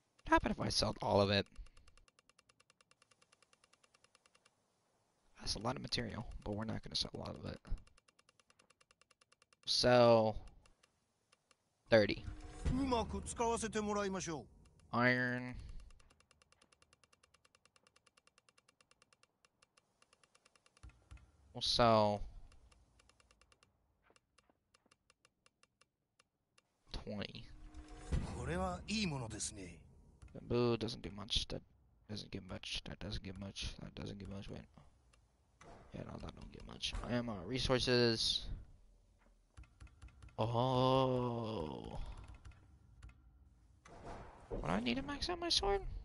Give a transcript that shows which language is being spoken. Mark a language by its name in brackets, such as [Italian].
[English] How about if I sell all of it? That's a lot of material, but we're not going to sell a lot of it. Sell 30. [Japanese] うまく使わせてもらいましょう。 [English] Iron. We'll sell 20. [Japanese] これはいいものですね。 [English] Boo doesn't do much, that doesn't get much, that doesn't get much, that doesn't get much, wait. Yeah, no, that don't get much. Ammo, resources. Oh. What do I need to max out my sword?